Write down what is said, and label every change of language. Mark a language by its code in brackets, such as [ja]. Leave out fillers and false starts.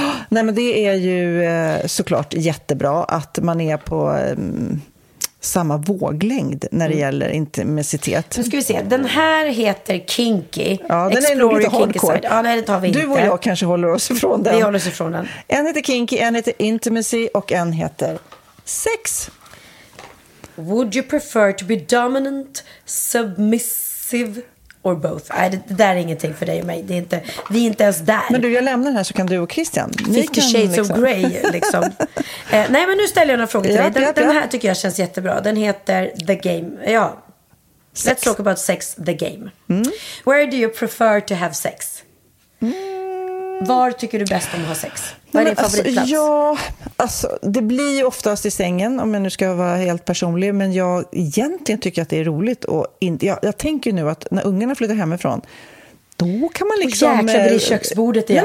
[sv] Nej, men det är ju såklart jättebra att man är på samma våglängd när det gäller intimitet. Nu ska vi se. Den här heter Kinky. Ja, den [en] Explore [sv] är lite hardcore. Ja, nej, det tar vi inte. Du och jag kanske håller oss ifrån den. Vi håller oss ifrån den. En heter Kinky, en heter Intimacy och en heter Sex. [en] Would you prefer to be dominant, submissive or both? [sv] Nej, det där är ingenting för dig och mig. Det är inte, vi är inte ens där. Men du, jag lämnar den här så kan du och Christian. 50 Shades liksom. Of Grey, liksom. Nej, men nu ställer jag några frågor till dig. Den här tycker jag känns jättebra. Den heter The Game. Ja. Sex. [en] Let's talk about sex, The Game. Mm. Where do you prefer to have sex? Mm. [sv] Var tycker du bäst om att ha sex? Vad är din favoritplats? Alltså, ja, alltså, det blir ju oftast i sängen, om jag nu ska vara helt personlig. Men jag egentligen tycker att det är roligt. Och jag tänker nu att när ungarna flyttar hemifrån, Då kan man liksom... Jäklar, det är köksbordet igen.